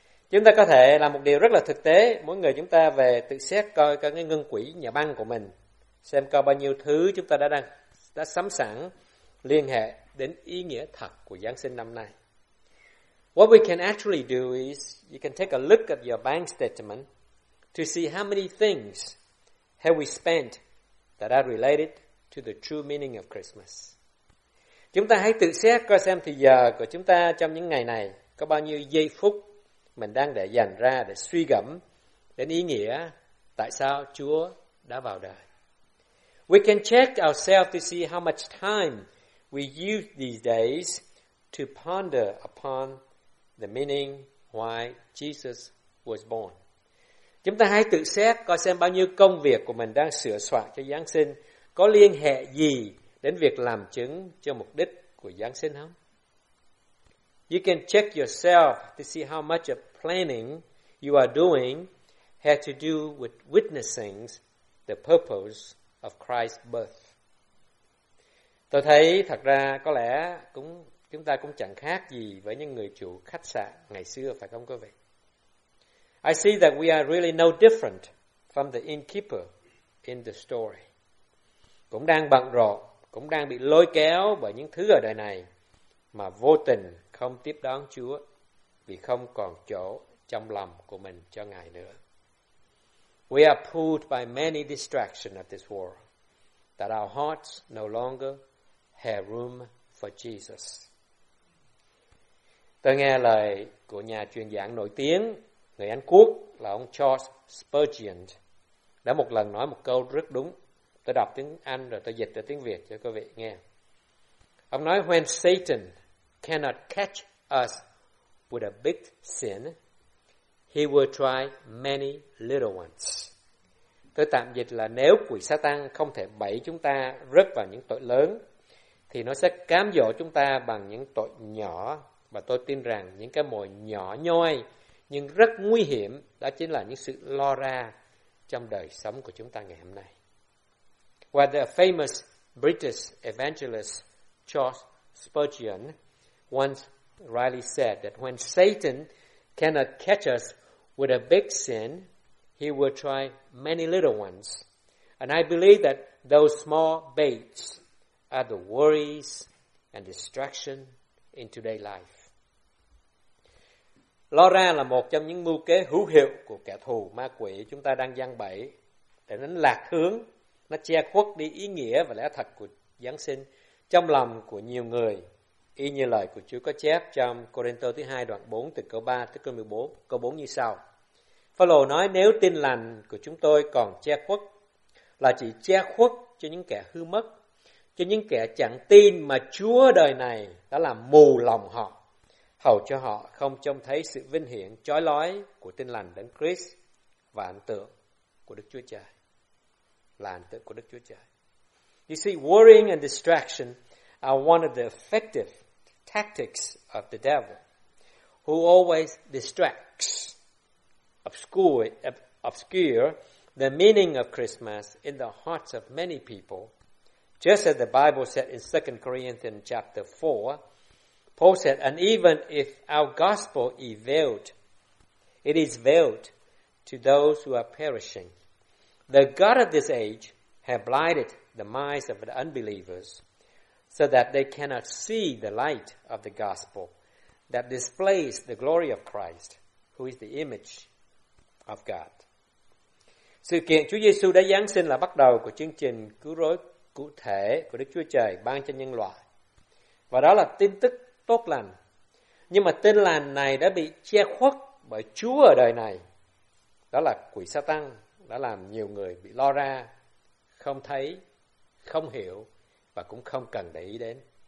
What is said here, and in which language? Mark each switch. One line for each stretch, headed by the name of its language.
Vietnamese: Chúng ta có thể làm một điều rất là thực tế, mỗi người chúng ta về tự xét coi các cái ngân quỹ nhà băng của mình, xem có bao nhiêu thứ chúng ta đã sắm sẵn liên hệ đến ý nghĩa thật của Giáng sinh năm nay.
English: What we can actually do is you can take a look at your bank statement to see how many things have we spent that are related to the true meaning of Christmas.
Vietnamese: Chúng ta hãy tự xét coi xem thì giờ của chúng ta trong những ngày này có bao nhiêu giây phút mình đang để dành ra để suy gẫm đến ý nghĩa tại sao Chúa đã vào đời.
English: We can check ourselves to see how much time we use these days to ponder upon the meaning why Jesus was born.
Vietnamese: Chúng ta hãy tự xét coi xem bao nhiêu công việc của mình đang sửa soạn cho Giáng sinh có liên hệ gì đến việc làm chứng cho mục đích của Giáng sinh không?
English: You can check yourself to see how much of planning you are doing had to do with witnessing the purpose of Christ's birth.
Vietnamese: Tôi thấy thật ra có lẽ chúng ta cũng chẳng khác gì với những người chủ khách sạn ngày xưa, phải không quý vị?
English: I see that we are really no different from the innkeeper in the story.
Vietnamese: Cũng đang bận rộn, cũng đang bị lôi kéo bởi những thứ ở đời này mà vô tình không tiếp đón Chúa vì không còn chỗ trong lòng của mình cho Ngài nữa.
English: We are pulled by many distractions of this world that our hearts no longer have room for Jesus.
Vietnamese: Tôi nghe lời của nhà truyền giảng nổi tiếng người Anh quốc là ông Charles Spurgeon đã một lần nói một câu rất đúng. Tôi đọc tiếng Anh rồi tôi dịch ra tiếng Việt cho quý vị nghe. Ông nói,
English: when Satan cannot catch us with a big sin, he will try many little ones.
Vietnamese: Tôi tạm dịch là nếu quỷ Satan không thể bẫy chúng ta rớt vào những tội lớn, thì nó sẽ cám dỗ chúng ta bằng những tội nhỏ. Và tôi tin rằng những cái mồi nhỏ nhoi nhưng rất nguy hiểm đó chính là những sự lo ra trong đời sống của chúng ta ngày hôm nay.
English: While the famous British evangelist Charles Spurgeon once rightly said that when Satan cannot catch us with a big sin, he will try many little ones. And I believe that those small baits are the worries and distraction in today's life.
Vietnamese: Lo ra là một trong những mưu kế hữu hiệu của kẻ thù ma quỷ chúng ta đang giăng bẫy để đánh lạc hướng, nó che khuất đi ý nghĩa và lẽ thật của Giáng sinh trong lòng của nhiều người, y như lời của Chúa có chép trong Cô-rinh-tô thứ 2 đoạn 4 từ câu 3 tới câu 14, câu 4 như sau. Phao-lô nói, nếu tin lành của chúng tôi còn che khuất là chỉ che khuất cho những kẻ hư mất, cho những kẻ chẳng tin mà Chúa đời này đã làm mù lòng họ, hầu cho họ không trông thấy sự vinh hiển chói lói của tin lành đấng Christ và ấn tượng của Đức Chúa Trời. Là ấn tượng của Đức Chúa Trời.
English: You see, worrying and distraction are one of the effective tactics of the devil, who always distracts, obscure the meaning of Christmas in the hearts of many people. Just as the Bible said in 2 Corinthians chapter 4, Paul said, and even if our gospel is veiled, it is veiled to those who are perishing. The God of this age has blinded the minds of the unbelievers so that they cannot see the light of the gospel that displays the glory of Christ, who is the image of God.
Vietnamese: Sự kiện Chúa Giê-xu đã Giáng sinh là bắt đầu của chương trình cứu rỗi cụ thể của Đức Chúa Trời ban cho nhân loại. Và đó là tin tức tốt lành. Nhưng mà tin lành này đã bị che khuất bởi Chúa ở đời này. Đó là quỷ Satan đã làm nhiều người bị lo ra, không thấy, không hiểu và cũng không cần để ý đến.